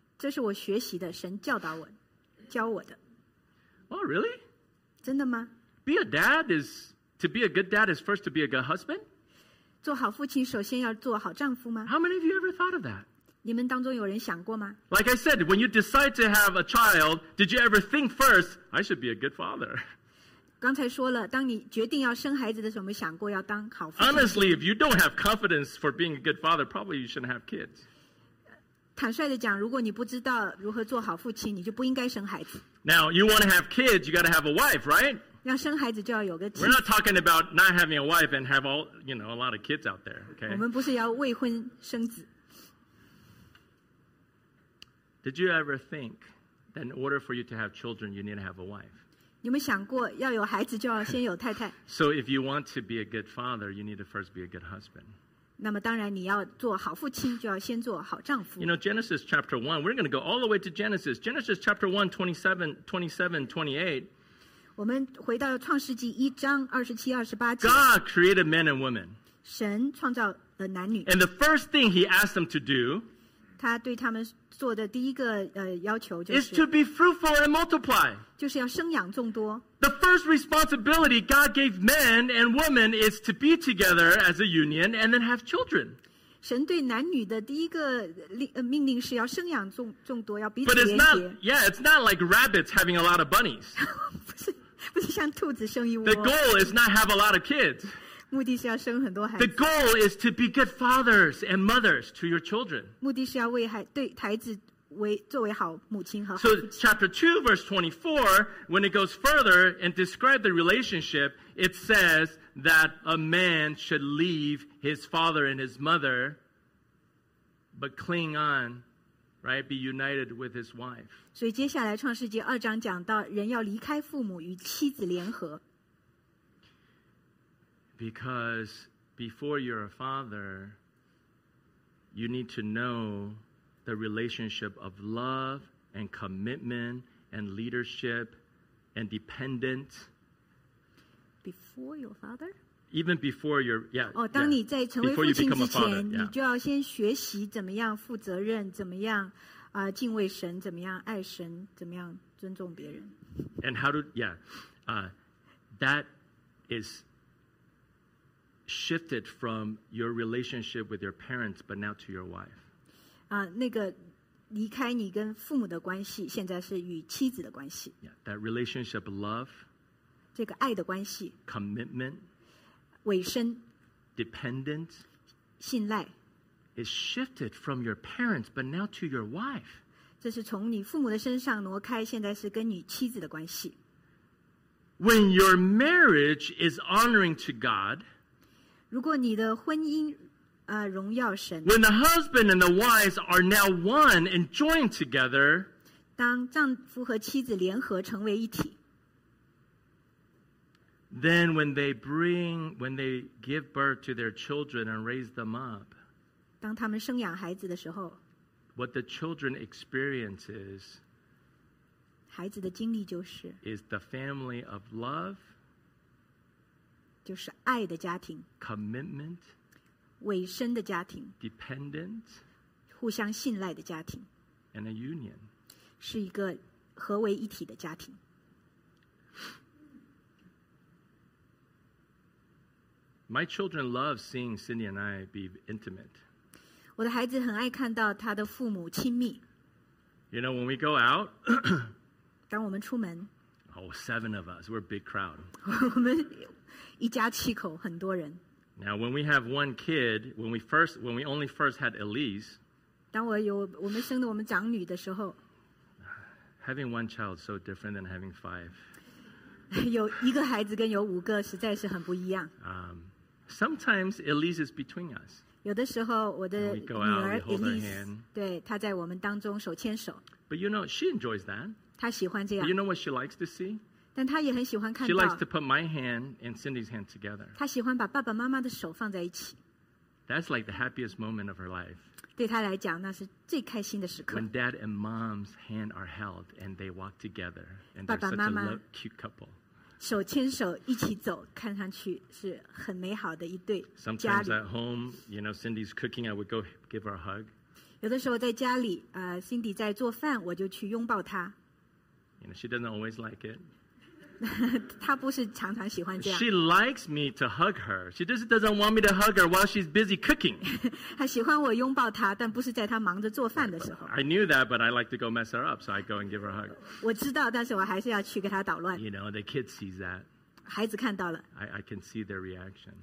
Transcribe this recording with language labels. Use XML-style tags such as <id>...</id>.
<zh>这是我学习的，神教导我，教我的。</zh> <en>Oh, really?</en> <zh>真的吗</zh> <en>？Be a dad is to be a good dad is first to be a good husband.</en> <zh>做好父亲首先要做好丈夫吗</zh> <en>？How many of you ever thought of that?</en> <zh>你们当中有人想过吗</zh> <en>？Like I said, when you decide to have a child, did you ever think first, I should be a good father?</en> <zh>刚才说了，当你决定要生孩子的时候，有没有想过要当好父亲</zh> <en>？Honestly, if you don't have confidence for being a good father, probably you shouldn't have kids.</en> <zh>坦率的讲，如果你不知道如何做好父亲，你就不应该生孩子。</zh> <en>Now, you want to have kids, you got to have a wife, right?</en> <zh>要生孩子就要有个妻子。</zh> <en>We're not talking about not having a wife and have all, you know, a lot of kids out there. Okay.</en> <zh>我们不是要未婚生子。</zh> <en>Did you ever think that in order for you to have children, you need to have a wife?</en> <zh>你们想过要有孩子就要先有太太</zh> <en>？So if you want to be a good father, you need to first be a good husband.</en> <zh>那么当然你要做好父亲，就要先做好丈夫。</zh> <en>You know Genesis chapter 1, we're going to go all the way to Genesis. Genesis chapter 1, 27, 28.</en> <zh>我们回到创世纪一章二十七、二十八节。</zh> <en>God created men and women.</en> <zh>神创造了男女。</zh> <en>And the first thing He asked them to do.</en> <zh>他对他们做的第一个要求就是</zh> <en>is to be fruitful and multiply.</en> <zh>就是要生养众多。</zh> <en>The first responsibility God gave men and women is to be together as a union and then have children.</en> <zh>神对男女的第一个命令是要生养众多，要彼此连</zh> <en>结。But it's not, yeah, it's not like rabbits having a lot of bunnies.</en> <zh>不是像兔子生一窝。</zh> <en>The goal is not have a lot of kids.</en> <zh>目的是要生很多孩子。</zh> <en>The goal is to be good fathers and mothers to your children.</en> <zh>目的是要为孩子作为好母亲和好父亲。</zh> <en>So chapter 2 verse 24, when it goes further and describes the relationship, it says that a man should leave his father and his mother, but cling on, right, be united with his wife.</en> <zh>所以接下来创世纪二章讲到人要离开父母与妻子联合。</zh> <en>Because before you're a father, you need to know the relationship of love and commitment and leadership and dependence before your father? Even before you're, yeah. Oh,</en> <zh>当你在成为父亲之前</zh> <en>before you become a father, yeah.</en> <zh>你就要先学习怎么样负责任，怎么样敬畏神，怎么样爱神，怎么样尊重别人。</zh> <en>And how do, yeah, that is shifted from your relationship with your parents, but now to your wife.</en> <zh>那个离开你跟父母的关系，现在是与妻子的关系。</zh> <en>Yeah, that relationship of love.</en> <zh>这个爱的关系。</zh> <en>Commitment.</en> <zh>委身</zh> <en>dependent</en> <zh>信赖</zh> <en>is shifted from your parents but now to your wife.</en> <zh>这是从你父母的身上挪开，现在是跟你妻子的关系。</zh> <en>When your marriage is honoring to God,</en> <zh>如果你的婚姻荣耀神，</zh> <en>When the husband and the wives are now one and joined together,</en> <zh>当丈夫和妻子联合成为一体，</zh> <en>Then when they bring, when they give birth to their children and raise them up,</en> <zh>当他们生养孩子的时候,</zh> <en>what the children experience is,</en> <zh>孩子的经历就是,</zh> <en>is the family of love,</en> <zh>就是爱的家庭,</zh> <en>commitment,</en> <zh>委身的家庭,</zh> <en>dependent,</en> <zh>互相信赖的家庭,</zh> <en>and a union,</en> <zh>是一个合为一体的家庭。</zh> <en>My children love seeing Cindy and I be intimate.</en> <zh>我的孩子很爱看到他的父母亲密。</zh> <en>You know, when we go out,</en> <zh>当我们出门，</zh> <en>oh, seven of us, we're a big crowd.</en> <zh>我们一家七口，很多人。</zh> <en>Now, when we have one kid, when we only first had Elise,</en> <zh>当我们生的我们长女的时候，</zh> <en>having one child is so different than having five.</en> <zh>有一个孩子跟有五个实在是很不一样。</zh> <en>Sometimes Elise is between us.</en> <zh>有的时候我的女儿 Elise, 对，她在我们当中手牵手。</zh> <en>But you know, she enjoys that.</en> <zh>她喜欢这样。</zh> <en>But you know what she likes to see?</en> <zh>但她也很喜欢看到。</zh> <en>She likes to put my hand and Cindy's hand together.</en> <zh>她喜欢把爸爸妈妈的手放在一起。</zh> <en>That's like the happiest moment of her life.</en> <zh>对她来讲，那是最开心的时刻。</zh> <en>When dad and mom's hand are held and they walk together. And they're</en> <zh>爸爸妈妈</zh> <en>such a love, cute couple.</en> <zh>手牵手一起走，看上去是很美好的一对。</zh> <en>Sometimes at home, you know, Cindy's cooking, I would go give her a hug.</en> <zh>有的时候在家里，Cindy 在做饭，我就去拥抱她。</zh> <en>You know, she doesn't always like it.</en> <zh>她不是常常喜欢这样。</zh> <en>She likes me to hug her. She just doesn't want me to hug her while she's busy cooking.</en> <zh>她喜欢我拥抱她，但不是在她忙着做饭的时候。</zh> <en>I knew that, but I like to go mess her up, so I go and give her a hug.</en> <zh>我知道，但是我还是要去给她捣乱。</zh> <en>You know, the kid sees that.</en> <zh>孩子看到了。</zh> <en>I can see their reaction.</en>